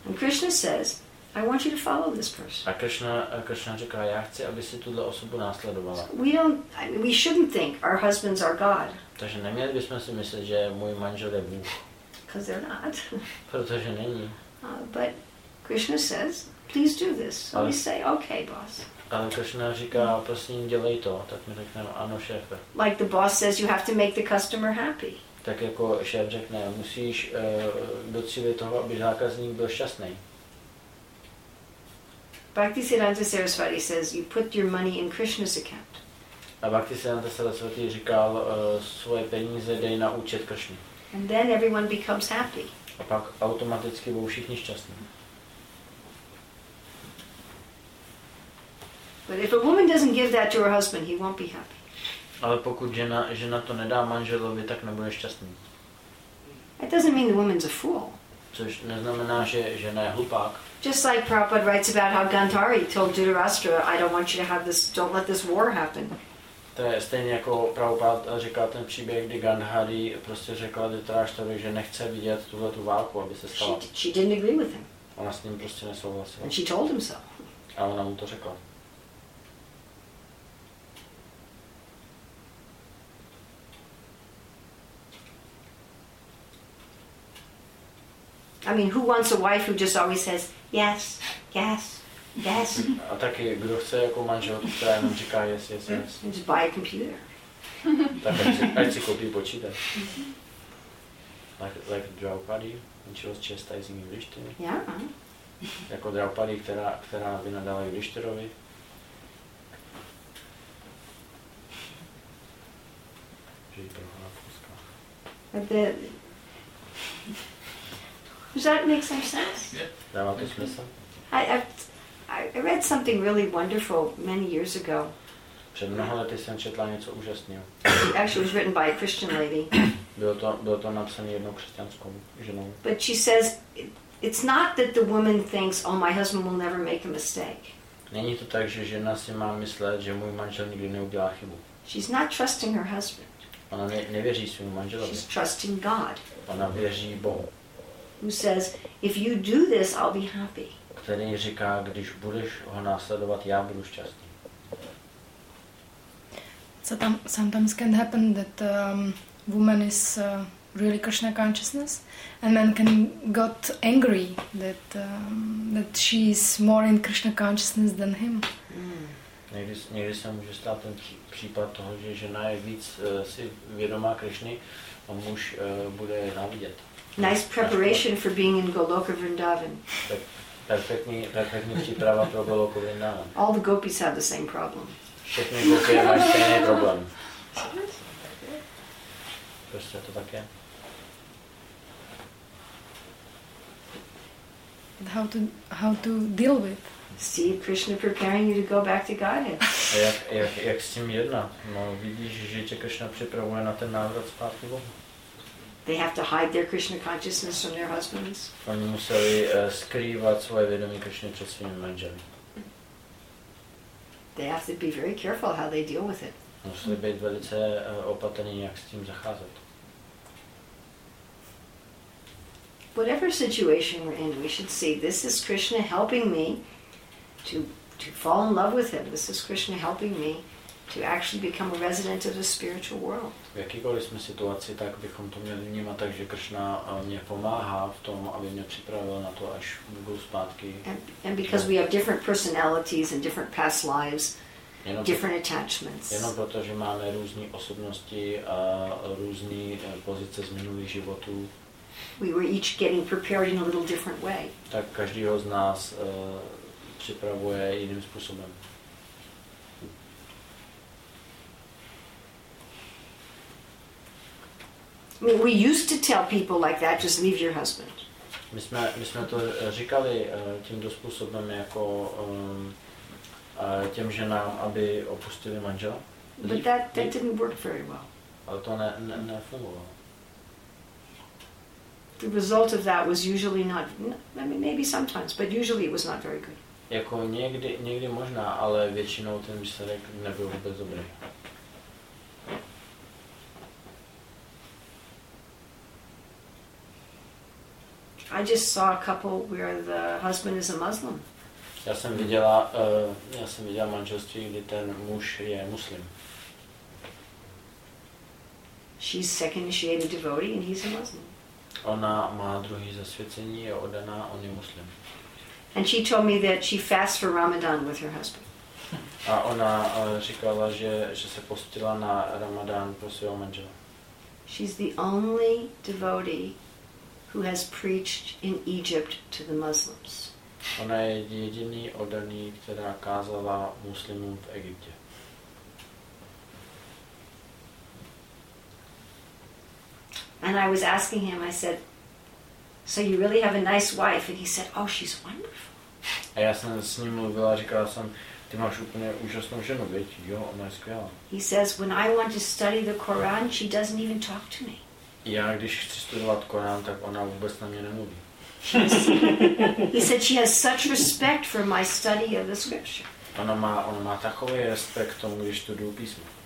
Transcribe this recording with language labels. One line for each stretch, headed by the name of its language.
English: And Krishna says, I want you to follow this person.
Czech: A Krishna říká, já chci, aby si tuhle osobu následovala.
English: So we shouldn't think our husbands are God.
Czech: Takže neměli bychom si myslet, že můj manžel je Bůh.
English: Because they're not.
Czech: Protože není.
English: But Krishna says, please do this. So we say, okay, boss.
Czech: Ale Krishna říká, prosím, dělej to. Tak mi řekneme, ano, šéfe.
English: Like the boss says, you have to make the customer happy.
Czech: Tak jako šéf řekne, musíš docílit toho, aby zákazník byl šťastný.
English: Bhaktisiddhanta Sarasvati says, you put your money in Krishna's account.
Czech: A Bhaktisiddhanta Sarasvati říkal, svoje peníze dej na účet Krishny.
English: And then everyone becomes happy.
Czech: A pak automaticky budou všichni šťastní.
English: But if a woman doesn't give that to her husband, he won't be happy.
Czech: Ale pokud žena to nedá manželovi, tak nebude šťastný.
English: It doesn't mean the woman's a fool.
Czech: Což neznamená, že žena je hlupák.
English: Just like Prabhupada writes about how Gandhari told Dhritarashtra, I don't want you to have this, don't let this war happen.
Czech: To je stejně jako Prabhupada říká ten příběh, kdy Gandhari prostě řekla Dhritarashtrovi, že nechce vidět tuhletu válku, aby se stala.
English: She didn't agree with him.
Czech: Ona s ním prostě nesouhlasila.
English: And she told him so.
Czech: A ona mu to řekla.
English: I mean, who wants a wife who just always says yes, yes, yes?
Czech: A taky kdo chce jako manželku, která jenom říká
English: yes, yes, yes? And just buy a computer.
Czech: Tak ať si koupí počítač.
English: Like Draupadi, and she was chastising Yudhishthira. Yeah.
Czech: Jako Draupadi, která vynadala Yudhishthirovi. Že jí prohala v kuskách.
English: Does that make some sense? Yeah. I read something really wonderful many years ago.
Czech: Před mnoha lety jsem četla něco úžasného.
English: Actually, it was written by a Christian lady.
Czech: Bylo to napsané jednou křesťanskou ženou.
English: But she says, it's not that the woman thinks, oh, my husband will never make a mistake.
Czech: Není to tak, že žena si má myslet, že můj manžel nikdy neudělá chybu.
English: She's not trusting her husband.
Czech: Ona nevěří svému manželovi.
English: She's trusting God.
Czech: Ona věří Bohu.
English: Who says if you do this I'll be happy.
Czech: Který říká, když budeš ho následovat, já budu šťastný.
English: So sometimes can happen that woman is really Krishna consciousness and man can got angry that that she is more in Krishna consciousness than him.
Czech: Někdy se může stát ten případ toho, že žena je víc si vědomá Krishny a muž bude závidět.
English: Nice preparation for being in Goloka Vrindavan.
Czech: Perfektní příprava pro Goloka Vrindavan.
English: All the gopis have the same problem.
Czech: Všechny gopi mají stejný problém. Prostě to tak je.
English: But how to deal with? See Krishna preparing you to go back to Godhead.
Czech: Jak s tím jedna? No vidíš, že tě Krishna připravuje na ten návrat zpátky Bohu.
English: They have to hide their Krishna consciousness from their husbands.
Czech: Oni museli skrývat svoje vědomí Krishna před svými manželi.
English: They have to be very careful how they deal with it.
Czech: Museli být velice opatrní, jak s tím zacházet.
English: Whatever situation we're in, we should see this is Krishna helping me to fall in love with him. This is Krishna helping me to actually become a resident of the spiritual world.
Czech: V jakýkoliv jsme situaci, tak bychom to měli vnímat tak, že Krishna mě pomáhá v tom, aby mě připravil na to, až budu zpátky.
English: And because we have different personalities and different past lives, different attachments.
Czech: Jenom proto, že máme různé osobnosti a různé pozice z minulých životů.
English: We were each getting prepared in a little different way.
Czech: Tak každýho z nás připravuje jiným způsobem.
English: We used to tell people like that, just leave your husband.
Czech: My jsme to říkali tímto způsobem jako těm ženám, aby opustili manžela.
English: But that didn't work very well.
Czech: Ale to ne fungovalo.
English: The result of that was usually not, I mean, maybe sometimes, but usually it was not very good.
Czech: Jako někdy možná, ale většinou ten výsledek nebyl vůbec dobrý.
English: I just saw a couple where the husband is a Muslim.
Czech: Já jsem viděla manželství, kdy ten muž je muslim.
English: She's second initiated devotee and he's a Muslim.
Czech: Ona má druhý zasvěcení, je oddaná, on je muslim.
English: And she told me that she fasts for Ramadan with her husband.
Czech: A ona říkala, že se postila na Ramadan pro svého manžela.
English: She's the only devotee who has preached in Egypt to the Muslims.
Czech: Ona je jediný oddaný, která kázala muslimům v Egyptě.
English: And I was asking him, I said, so you really have a nice wife? And he said, oh, she's wonderful.
Czech: A já jsem s ním mluvila, říkala jsem, ty máš úplně úžasnou ženu, viď? Jo, ona je skvělá. He says, when I want to study the Quran, she doesn't even talk to me. Já když chci studovat Korán, tak ona vůbec na mě nemluví. He said she has such respect for my study of the scripture. Ona má takový respekt tomu, když studuju písmo.